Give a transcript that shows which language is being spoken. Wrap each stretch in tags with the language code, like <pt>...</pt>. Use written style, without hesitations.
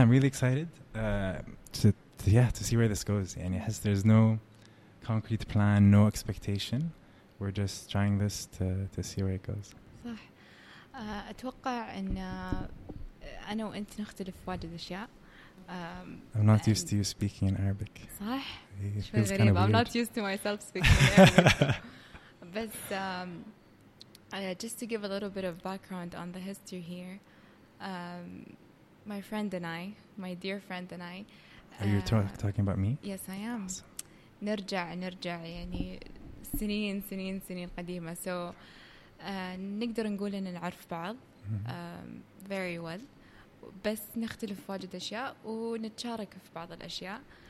<en>I'm really excited to see where this goes. And yes, there's no concrete plan, no expectation. We're just trying this to see where it goes.</en> <ar>صح. أتوقع أن أنا وأنت نختلف واجد أشياء.</ar> <en>I'm not used to you speaking in Arabic. صح. It's kind of weird. I'm not used to myself speaking in Arabic. just to give a little bit of background on the history here. My friend and I, my dear friend and I. Are you talking about me? Yes, I am.</en> <ar>نرجع يعني سنين سنين سنين قديمة. So نقدر نقول إن نعرف بعض</ar> <en>very well.</en> <ar>بس نختلف واجد أشياء ونتشارك في بعض الأشياء.</ar>